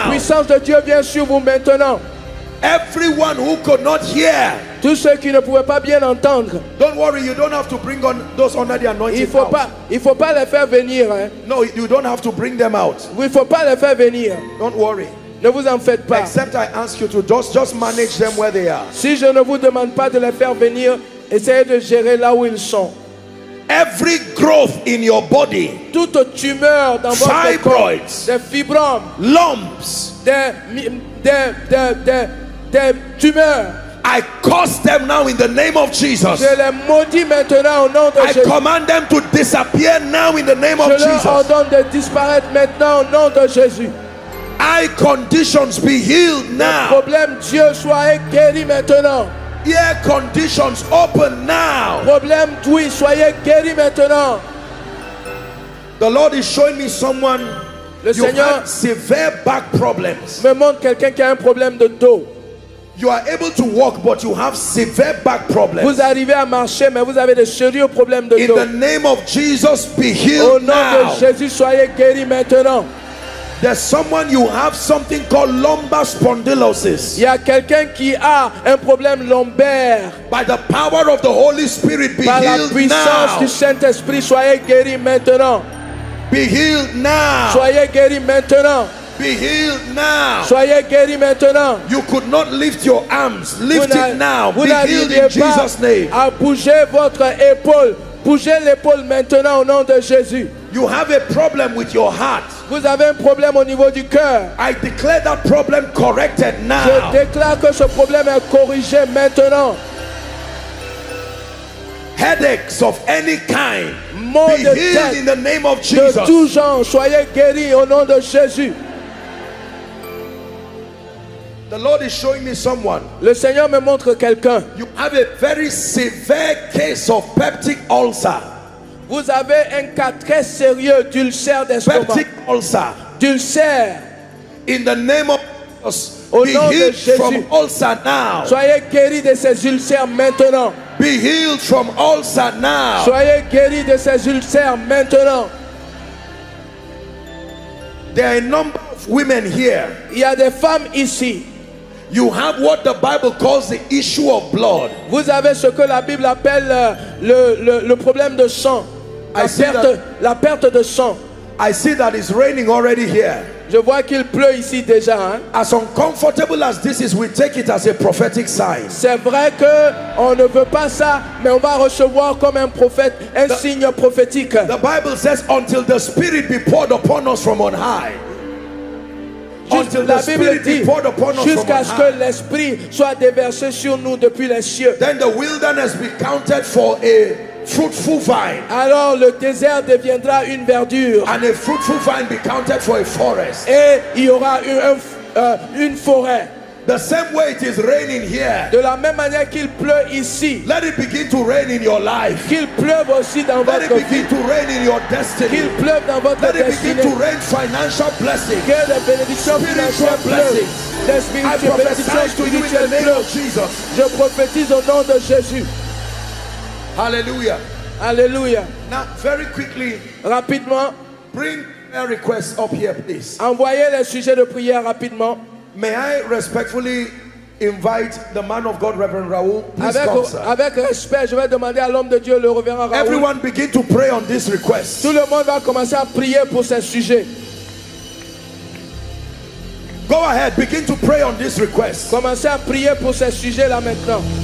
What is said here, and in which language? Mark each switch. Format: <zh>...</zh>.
<fr>La puissance de Dieu vient sur vous maintenant.</fr> <en>Everyone who could not hear.</en> <fr>Tous ceux qui ne pouvaient pas bien entendre.</fr> <en>Don't worry, you don't have to bring on those under the anointing.</en> <fr>Il faut pas les faire venir. Hein.</fr> <en>No, you don't have to bring them out.</en> <fr>Il faut pas les faire venir.</fr> <en>Don't worry.</en> <fr>Ne vous en faites pas.</fr> <en>Except I ask you to just manage them where they are.</en> <fr>Si je ne vous demande pas de les faire venir, essayez de gérer là où ils sont.</fr> <en>Every growth in your body.</en> <fr>Toute tumeur dans votre corps.</fr> <en>Fibroids.</en> <fr>Des fibromes.</fr> <en>Lumps.</en> <fr>Des tumeurs.</fr> <en>I curse them now in the name of Jesus.</en> <fr>Je les maudis maintenant au nom de Jésus.</fr> <en>I command them to disappear now in the name of Jesus.</en> <fr>Je leur ordonne de disparaître maintenant au nom de Jésus.</fr> <en>Eye conditions be healed now.</en> <fr>Le problème Dieu soyez guéri maintenant.</fr> <en>Ear conditions open now.</en> <fr>Problème d'ouïe soyez guéri maintenant.</fr> <en>The Lord is showing me someone.</en> <fr>Le Seigneur</fr> <en>severe back problems.</en> <fr>Me montre quelqu'un qui a un problème de dos.</fr> <en>You are able to walk, but you have severe back problems.</en> <fr>Vous arrivez à marcher, mais vous avez de sérieux problèmes de dos.</fr> <en>In the name of Jesus, be healed now.</en> <fr>Au nom</fr> <en>now.</en> <fr>De Jésus, soyez guéri maintenant.</fr> <en>There's someone you have something called lumbar spondylosis.</en> <fr>Il y a quelqu'un qui a un problème lombaire.</fr> <en>By the power of the Holy Spirit, be</en> <fr>Par</fr> <en>healed now.</en> <fr>Par la puissance du Saint-Esprit, soyez guéri maintenant.</fr> <en>Be healed now.</en> <fr>Soyez guéri maintenant.</fr> <en>Be healed now.</en> <fr>Soyez guéri maintenant.</fr> <en>You could not lift your arms. Lift it now. Be healed in Jesus' name.</en> <fr>À bouger votre épaule. Bougez l'épaule maintenant au nom de Jésus.</fr> <en>You have a problem with your heart.</en> <fr>Vous avez un problème au niveau du cœur.</fr> <en>I declare that problem corrected now.</en> <fr>Je déclare que ce problème est corrigé maintenant.</fr> <en>Headaches of any kind.</en> <fr>Maux</fr> <en>be healed in the name of Jesus.</en> <fr>De tout genre, soyez guéri au nom de Jésus.</fr> <en>The Lord is showing me someone.</en> <fr>Le Seigneur me montre quelqu'un.</fr> <en>You have a very severe case of peptic ulcer.</en> <fr>Vous avez un cas très sérieux d'ulcère d'estomac.</fr> <en>Peptic ulcer.</en> <fr>D'ulcère.</fr> <en>In the name of Jesus.</en> <fr>Au nom</fr> <en>be healed</en> <fr>de Jésus.</fr> <en>From ulcer now.</en> <fr>Soyez guéri de ces ulcères maintenant.</fr> <en>Be healed from ulcer now.</en> <fr>Soyez guéri de ces ulcères maintenant.</fr> <en>There are a number of women here.</en> <fr>Il y a des femmes ici.</fr> <en>You have what the Bible calls the issue of blood.</en> <fr>Vous avez ce que la Bible appelle le problème de sang. La perte de sang.</fr> <en>I see that it's raining already here.</en> <fr>Je vois qu'il pleut ici déjà. Hein?</fr> <en>As uncomfortable as this is, we take it as a prophetic sign.</en> <fr>C'est vrai que on ne veut pas ça, mais on va recevoir comme un prophète, un signe prophétique.</fr> <en>The Bible says, until the Spirit be poured upon us from on high.</en> <fr>Jusqu'à ce que l'Esprit soit déversé sur nous depuis les cieux.</fr> <en>Then the wilderness be counted for a fruitful vine.</en> <fr>Alors le désert deviendra une verdure.</fr> <en>And a fruitful vine be counted for a forest.</en> <fr>Et il y aura une forêt.</fr> <en>The same way it is raining here.</en> <fr>De la même manière qu'il pleut ici.</fr> <en>Let it begin to rain in your life.</en> <fr>Qu'il pleuve aussi dans</fr> <en>Let</en> <fr>votre vie.</fr> <en>Let it begin</en> <fr>vie.</fr> <en>To rain in your destiny.</en> <fr>Qu'il pleuve dans votre</fr> <en>Let</en> <fr>destinée.</fr> <en>Let it begin to rain financial blessings.</en> <fr>Que les bénédictions financières pleuvent.</fr> <en>I prophesy to you in the name of Jesus.</en> <fr>Je prophétise au nom de Jésus.</fr> <en>Hallelujah.</en> <fr>Hallelujah.</fr> <en>Now, very quickly.</en> <fr>Rapidement.</fr> <en>Bring a request up here, please.</en> <fr>Envoyez les sujets de prière rapidement.</fr> <en>May I respectfully invite the man of God, Reverend Raoul, please come, sir.</en> <fr>Avec respect, je vais demander à l'homme de Dieu, le Reverend Raoul.</fr> <en>Everyone begin to pray on this request.</en> <fr>Tout le monde va commencer à prier pour ces sujets.</fr> <en>Go ahead, begin to pray on this request.</en> <fr>Commencez à prier pour ces sujets là maintenant.</fr>